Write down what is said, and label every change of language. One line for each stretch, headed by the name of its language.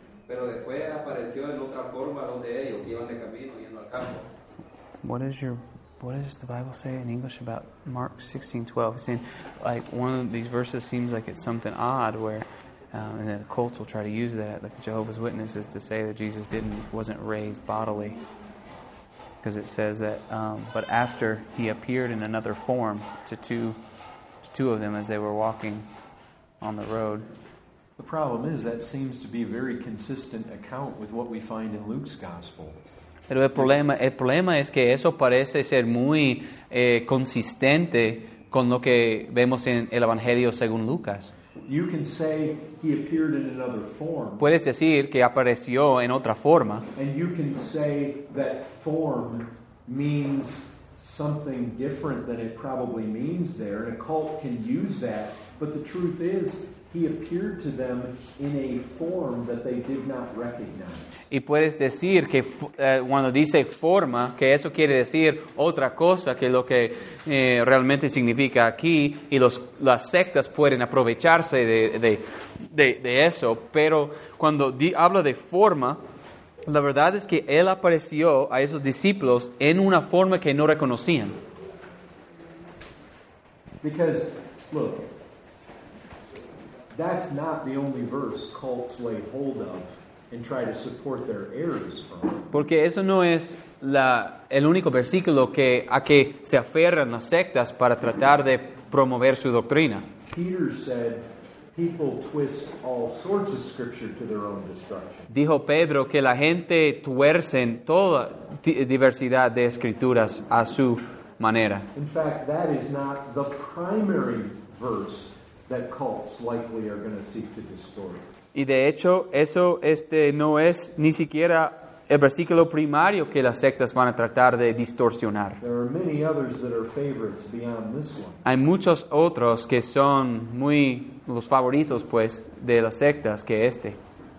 Spanish: Pero después apareció en otra forma donde ellos iban de camino yendo al campo.
English: What is your, what does the Bible say in English about Mark 16:12? Saying like one of these verses seems like it's something odd where, and then the cults will try to use that, like Jehovah's Witnesses, to say that Jesus wasn't raised bodily, because it says that. But after he appeared in another form to two of them as they were walking on the road. The problem is that seems to be a very consistent account with what we find in Luke's gospel.
Spanish: Pero el problema es que eso parece ser muy consistente con lo que vemos en el Evangelio según Lucas.
English: You can say he appeared in another form.
Spanish: Puedes decir que apareció en otra forma.
English: And you can say that form means something different than it probably means there. And a cult can use that, but the truth is he appeared to them in a form that they did not recognize.
Spanish: Y puedes decir que cuando dice forma, que eso quiere decir otra cosa que lo que realmente significa aquí, y las sectas pueden aprovecharse de eso. Pero cuando habla de forma, la verdad es que él apareció a esos discípulos en una forma que no reconocían.
English: Because, look, that's not the only verse cults lay hold of and try to support their errors from.
Spanish: Porque eso no es el único versículo a que se aferran las sectas para tratar de promover su doctrina.
English: Peter said people twist all sorts of scripture to their own destruction.
Spanish: Dijo Pedro que la gente tuercen toda diversidad de escrituras a su manera.
English: In fact, that is not the primary verse that cults likely are going to seek to distort.
Spanish: Y de hecho, eso no es ni siquiera el versículo primario que las sectas van a tratar de distorsionar.
English: There are many others that are favorites beyond this one.
Spanish: Hay muchos otros que son muy los favoritos, pues, de las sectas que